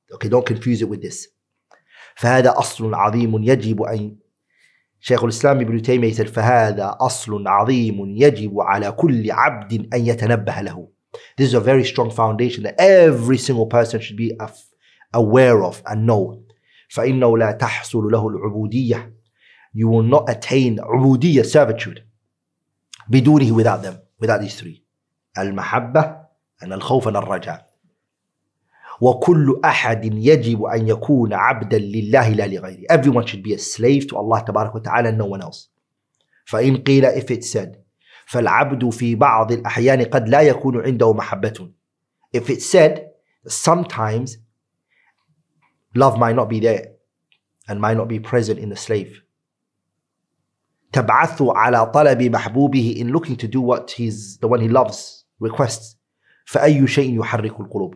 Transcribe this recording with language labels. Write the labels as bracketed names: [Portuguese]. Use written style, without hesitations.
[English] Okay, don't confuse it with this. [Arabic] فهذا أصل عظيم يجب أن شيخ الإسلام ابن تيمية يسأل فهذا أصل عظيم يجب على كل عبد أن يتنبه له. [English] This is a very strong foundation that every single person should be aware of and know. [Arabic] فإنه لا تحصل له العبودية. [English] You will not attain [Arabic] عبودية, [English] servitude, [Arabic] بدونه, [English] without them, without these three. [Arabic] المحبة and الخوف and الرجاء. وكل أحد يجب أن يكون عبدا لله لا لغيره. [English] Everyone should be a slave to Allah [Arabic] تبارك وتعالى [English] and no one else. [Arabic] فإن قيل, [English] if it said, [Arabic] فالعبد في بعض الأحيان قد لا يكون عنده محبة. [English] If it said, sometimes love might not be there and might not be present in the slave. [Arabic] تبعث على طلب محبوبه, [English] in looking to do what he's, the one he loves, requests. [Arabic] فأي شيء يحرك القلوب.